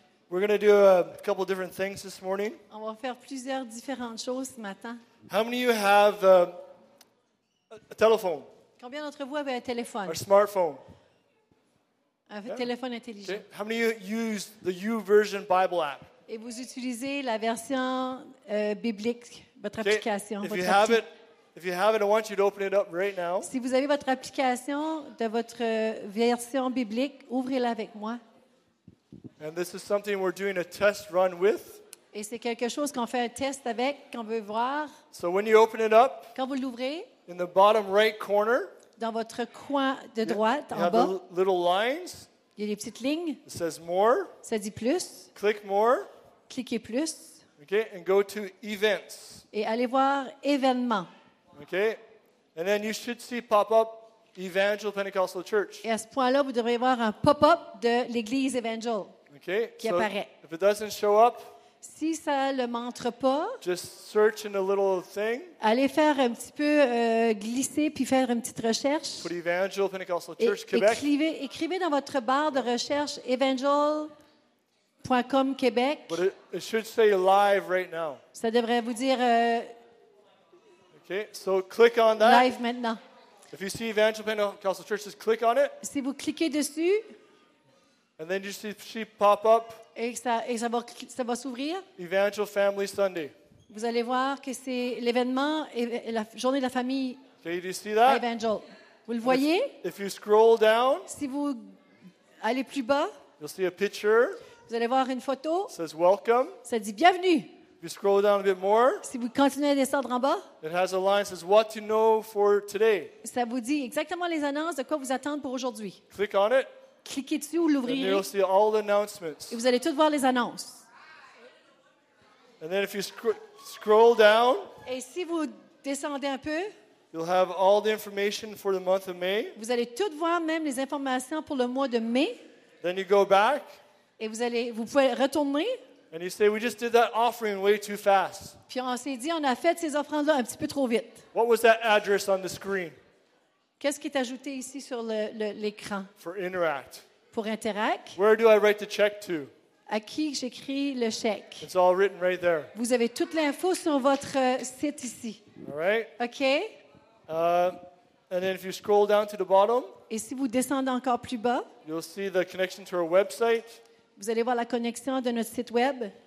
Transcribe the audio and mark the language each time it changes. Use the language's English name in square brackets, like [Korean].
[English] We're going to do a couple different things this morning. [French] On va faire plusieurs différentes choses ce matin. [English] How many of you have a telephone? [French] Combien d'entre vous avez un téléphone? [English] Or a smartphone? [French] Un téléphone intelligent. [English] Okay. How many of you use the YouVersion Bible app? [French] Et vous utilisez la version biblique, votre application, [English] if [French] votre [English] you have it, if you have it, I want you to open it up right now. [French] Si vous avez votre application de votre version biblique, ouvrez-la avec moi. [English] And this is something we're doing a test run with. [French] Et c'est quelque chose qu'on fait un test avec, qu'on veut voir. [English] So when you open it up, [French] quand vous l'ouvrez, [English] in the bottom right corner, [French] dans votre coin de droite, [English] you [French] en bas, [English] little lines. [French] Il y a des petites lignes. [English] It says more. [French] Ça dit plus. [English] Click more. [French] Cliquez plus. [English] Okay, and go to events. [French] Et allez voir événements. [English] Okay, and then you should see pop up Evangel Pentecostal Church. [French] Et à ce point-là, vous devrez voir un pop-up de l'église Evangel [English] okay. [French] qui apparaît. [English] If it doesn't show up, [French] si ça ne le montre pas, [English] just search in a little thing, [French] allez faire un petit peu glisser puis faire une petite recherche. [English] Put Evangel Pentecostal Church Québec. [French] Écrivez dans votre barre de recherche evangel.com Québec. [English] But it should say live right now. [French] Ça devrait vous dire. [English] Okay, so click on that. [French] Live maintenant. [English] If you see Evangel Pentecostal Church, just click on it. [French] Si vous cliquez dessus, [English] and then you see pop up. [French] Et ça va s'ouvrir. [English] Evangel Family Sunday. [French] Vous allez voir que c'est l'événement et la journée de la famille. [English] Okay, do you see that? [French] Evangel. Vous le voyez? [English] If you scroll down, [French] si vous allez plus bas, [English] you'll see a picture. [French] Vous allez voir une photo. [English] It says welcome. [French] Ça dit bienvenue. [English] If you scroll down a bit more, [French] si vous continuez à descendre en bas, [English] it has a line that says what to know for today. [French] Ça vous dit exactement les annonces de quoi vous attendre pour aujourd'hui. [English] Click on it. [French] Cliquez dessus ou l'ouvrirez. [English] And you'll see all the announcements. [French] Et vous allez toutes voir les annonces. [English] And then if you scroll down, [French] et si vous descendez un peu, [English] you'll have all the information for the month of May. [French] Vous allez toutes voir même les informations pour le mois de mai. [English] Then you go back. [French] Et vous pouvez retourner. [English] And you say we just did that offering way too fast. [French] Puis on s'est dit on a fait ces offrandes-là un petit peu trop vite. [English] What was that address on the screen? [French] Qu'est-ce qui est ajouté ici sur l'écran? [English] For Interact. [French] Pour Interact. [English] Where do I write the check to? [French] À qui j'écris le chèque? [English] It's all written right there. [French] Vous avez toute l'info sur votre site ici. [English] All right. [French] Okay. [English] And then if you scroll down to the bottom. [French] Et si vous descendez encore plus bas? [English] You'll see the connection to our website. [French] Vous allez voir la connexion de notre site web.